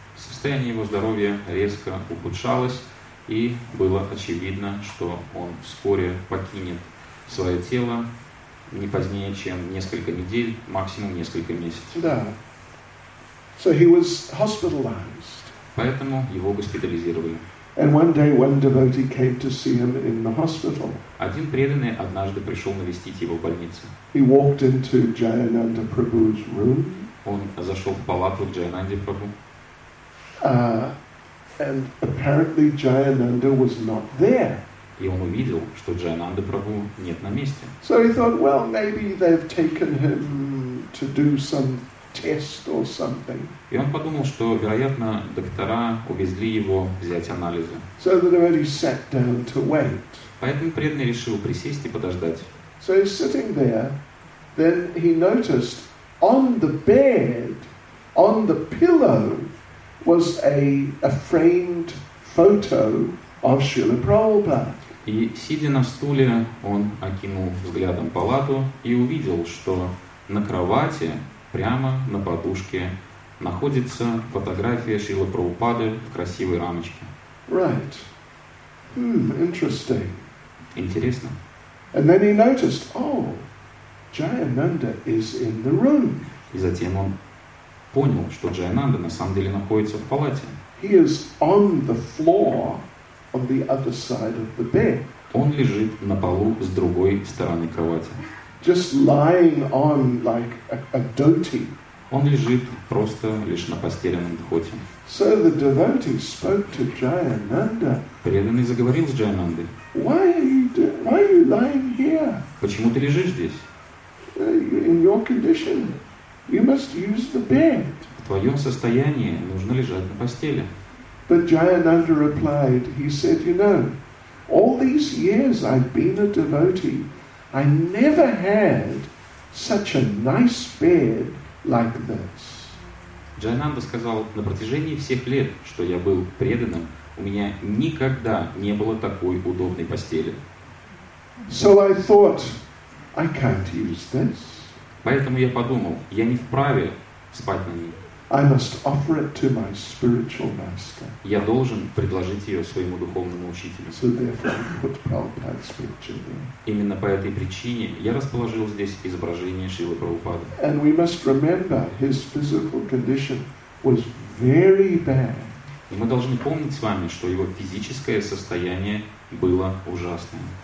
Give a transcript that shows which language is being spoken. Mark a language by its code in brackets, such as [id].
[ru] Состояние его здоровья резко ухудшалось, и было очевидно, что он вскоре покинет свое тело не позднее, чем несколько недель, максимум несколько месяцев. [en] Да. So he was hospitalized. [ru] Поэтому его госпитализировали. [en] And one day one devotee came to see him in the hospital. [ru] Один преданный однажды пришел навестить его в больнице. [en] He walked into Jayananda Prabhu's room. [ru] Он зашел в палату Джайананды Прабху. [en] And apparently Jayananda was not there. [ru] И он увидел, что Джайананда Прабху нет на месте. [en] So he thought, well, maybe they've taken him to do some test or something. [ru] И он подумал, что, вероятно, доктора увезли его взять анализы. [en] So the devotee sat down to wait. [ru] Поэтому преданный решил присесть и подождать. [en] So he's sitting there, then he noticed on the bed, on the pillow, was a framed photo of Srila Prabhupada. [ru] И сидя на стуле, он окинул взглядом палату и увидел, что на кровати прямо на подушке находится фотография Шрилы Прабхупады в красивой рамочке. [en] Right. Interesting. [ru] Интересно. [en] And then he noticed, oh, Jayananda is in the room. [ru] И затем он понял, что Джайананда на самом деле находится в палате. [en] He is on the floor on the other side of the bed. [ru] Он лежит на полу с другой стороны кровати. [en] Just lying on like a dhoti. [ru] Он лежит просто лишь на постеленном дхоти. [en] So the devotee spoke to Jayananda. [ru] Преданный заговорил с Джайанандой. [en] Why are you lying here? [ru] Почему ты лежишь здесь? [en] In your condition, you must use the bed. [ru] В твоем состоянии нужно лежать на постели. [en] But Jayananda replied. He said, you know, all these years I've been a devotee. I never had such a nice bed like this. [ru] Джайананда сказал, на протяжении всех лет, что я был преданным, у меня никогда не было такой удобной постели. [en] So I thought, I can't use this. [ru] Поэтому я подумал, я не вправе спать на ней. [en] I must offer it to my spiritual master. [ru] Я должен предложить ее своему духовному учителю. [en] So therefore, I put Prabhupada's picture there. [ru] Именно по этой причине я расположил здесь изображение Шрилы Прабхупады. [en] And we must remember his physical condition was very bad. [ru] И мы должны помнить с вами, что его физическое состояние было ужасным.